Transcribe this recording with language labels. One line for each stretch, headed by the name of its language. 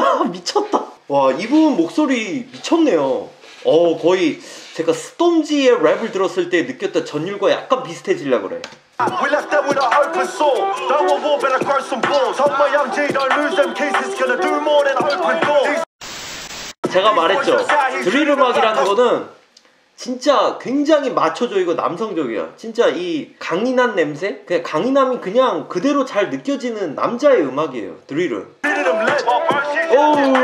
Korean: 미쳤다. 와, 이분 목소리 미쳤네요. 거의 제가 스톰지의 랩을 들었을 때 느꼈던 전율과 약간 비슷해지려고 그래.
English: We left them with an open soul. Don't want war, better grow some balls. Hope my young G don't lose them keys. It's gonna do more than open doors.
Korean: 제가 말했죠. 드릴 음악이라는 거는 진짜 굉장히 마초적이고 남성적이야. 진짜 이 강인한 냄새? 그냥 강인함이 그냥 그대로 잘 느껴지는 남자의 음악이에요, 드릴은. 오.